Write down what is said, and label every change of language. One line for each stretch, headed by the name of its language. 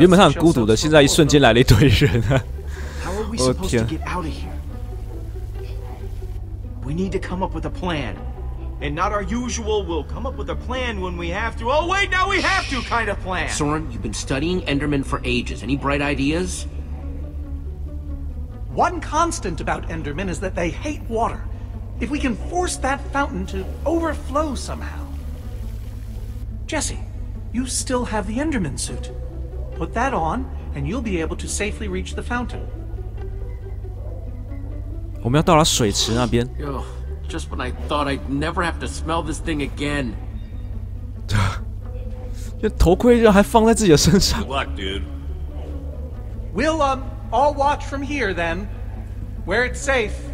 Chinese: 原本他很孤独的，现在一瞬间来了一堆人啊！我天。
English: We need to come up with a plan. And not our usual, we'll come up with a plan when we have to. Oh, wait, now we have to kind of plan. Soren, you've been studying Endermen for ages. Any bright ideas? One constant about Endermen is that they hate water. If we can force that fountain to overflow somehow. Jesse, you still have the Enderman suit. Put that on, and you'll be able to safely reach the fountain.
Chinese: 我们要到了水池那边。
English: Just when I thought I'd never have to smell this thing again.
Chinese: 这头盔竟然还放在自己的身上。
English: Good luck, dude. We'll all watch from here then, where it's safe.